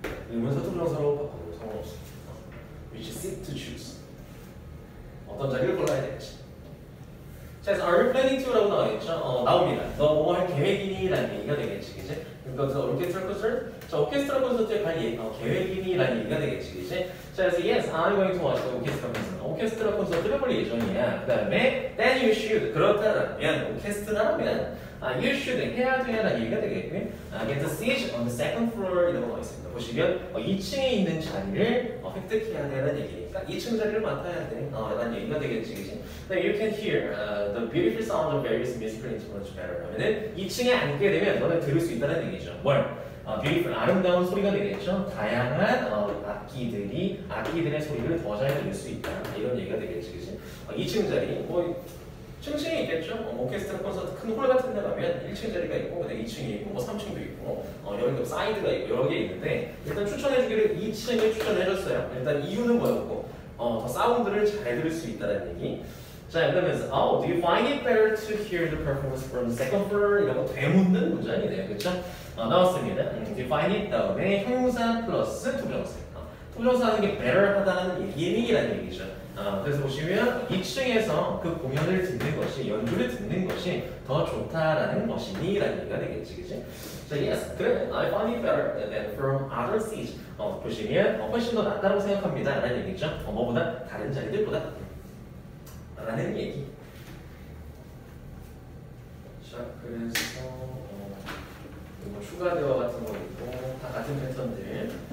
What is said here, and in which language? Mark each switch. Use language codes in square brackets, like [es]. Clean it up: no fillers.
[ko] 의문사, 투정사로 바꿔도 상관없어. [en] Which seat to choose? [ko] 어떤 자리를 골라야 될지. 자, 그래서 [en] Are you planning to? [ko] 라고 나와있죠? 나옵니다. 너 뭐 할 계획이니? 라는 얘기가 되겠지, 그치? 그래서 오케스트라 콘서트? 자, 오케스트라 콘서트에 갈 계획이니? 라는 얘기가 되겠지, 그치? 자, 그래서 Yes, I'm going to watch the orchestra concert. 오케스트라 콘서트를 볼 예정이야. 그 다음에 [en] Then you should. [ko] 그렇다면, 오케스트라라면 [en] You should. [ko] 해야 돼. 라는 얘기가 되겠고 [en] Get a seat on the second floor. [ko] 이라고 나와있습니다. 보시면 2층에 있는 자리를 획득해야 돼. 라는 얘기. 2층 자리를 맡아야 돼. 난 얘기가 되겠지, 그치? [en] Then you can hear the beautiful sound of various musical instruments better. [ko] 그러면은 2층에 앉게 되면 너는 들을 수 있다는 얘기죠. 뭘? Beautiful, 아름다운 소리가 되겠죠? 다양한 악기들이, 악기들의 소리를 더 잘 들을 수 있다. 이런 얘기가 되겠지, 그치? 2층 자리, 뭐 층층이 있겠죠? 오케스트라 콘서트 큰 홀 같은 데 가면 1층 자리가 있고 그다음에 2층이 있고 뭐 3층도 있고 여기도 사이드가 있고 여러 개 있는데 일단 추천해 주기를 2층에 추천해 줬어요. 일단 이유는 뭐였고 더 사운드를 잘 들을 수 있다는 얘기. 자, 그러면서 [en] Oh, do you find it better to hear the performance from the second floor? [ko] 이라고 되묻는 문장이네요, 그쵸? 나왔습니다. [en] Do you find it? [ko] 다음에 형용사 플러스 투정사. 투정사는 게 better 하다는 얘기라는 얘기죠. 그래서 보시면 2층에서 그 공연을 듣는 것이 연주를 듣는 것이 더 좋다라는 것이니 라는 얘기가 되겠지, 그치? [en] 자, yes, good. I find it better than from other seats. [ko] 보시면 훨씬 더 낫다고 생각합니다 라는 얘기죠. 뭐보다 다른 자리들보다 라는 얘기. 자, 그래서 뭐 추가 대화 같은 거 있고 다 같은 패턴들.